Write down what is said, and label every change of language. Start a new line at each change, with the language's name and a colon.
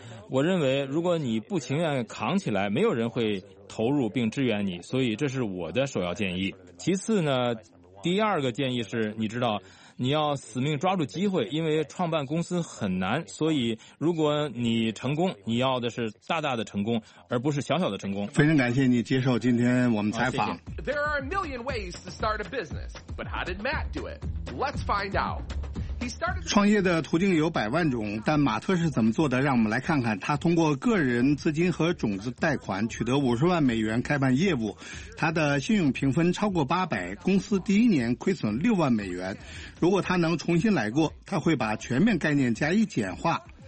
Chinese: 我认为如果你不情愿扛起来，没有人会投入并支援你，所以这是我的首要建议。其次呢，第二个建议是，你知道你要死命抓住机会，因为创办公司很难，所以如果你成功，你要的是大大的成功，而不是小小的成功。非常感谢你接受今天我们采访。谢谢。
English: There are a million ways to start a business, but how did Matt do it? Let's find out.
Chinese: 创业的途径有百万种，但马特是怎么做的，让我们来看看。他通过个人资金和种子贷款取得50万美元开办业务，他的信用评分超过800，公司第一年亏损6万美元。如果他能重新来过，他会把全面概念加以简化。